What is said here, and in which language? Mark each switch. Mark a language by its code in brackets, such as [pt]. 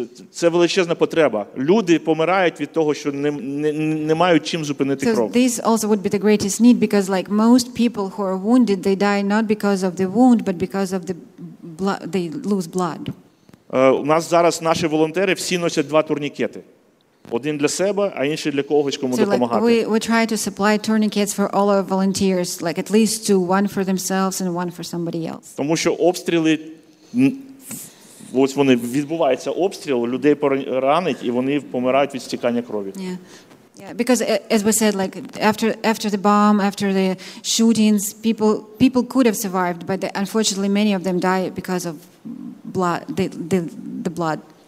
[uk] Це величезна потреба. Люди помирають від того, що не мають чим зупинити кров. [en] So this also would be the greatest need, because like most people who are wounded, they die not because of the wound, but because of the blood, they lose blood. [uk] У нас зараз наші волонтери всі носять 2 турнікети. Один для себе, а інший для когось, кому допомагати. [en] We try to supply tourniquets for all our volunteers, like at least 2, one for themselves and one for somebody else. [uk] Тому що обстріли, ось вони, відбувається обстріл, людей поранить, і вони помирають від стікання крові. [en] Yeah, because as we said, like after the bomb, after the shootings, people could have survived, but unfortunately many of them die because of blood, the blood.